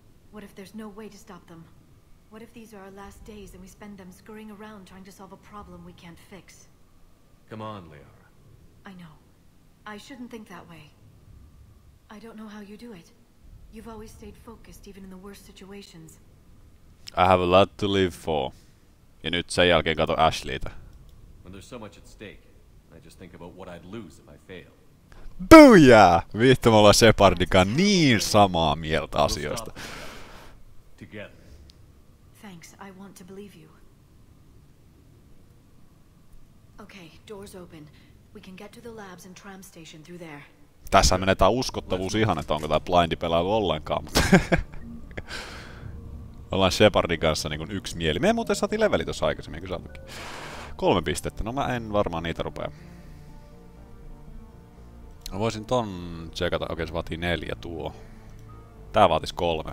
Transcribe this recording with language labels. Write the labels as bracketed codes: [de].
[en] What if there's no way to stop them? What if these are our last days and we spend them scurrying around trying to solve a problem we can't fix? Come on, Liara. I know. I shouldn't think that way. I don't know how you do it. You've always stayed focused, even in the worst situations. I have a lot to live for. [fi] Ja nyt sen jälkeen kato Ashleyta. [en] When there's so much at stake, I just think about what I'd lose if I failed. Booyah! [fi] Vittu, me ollaan Shepardin kanssa niin samaa mieltä asioista. [en] Together. Thanks. I want to believe you. Okay, doors open. We can get to the labs and tram station through there. [fi] Tässä menee tää uskottavuus ihan, että onko tää blindi pelailu ollenkaan, mutta ollaan Shepardin kanssa niin kuin yksi mieli. Meidän muuten saatiin leveli tossa aikaisemmin, kun saatukin. 3 pistettä. No mä en varmaan niitä rupea. Voisin ton tsekata. Okei, se vaatii 4 tuo. Tää vaatis 3.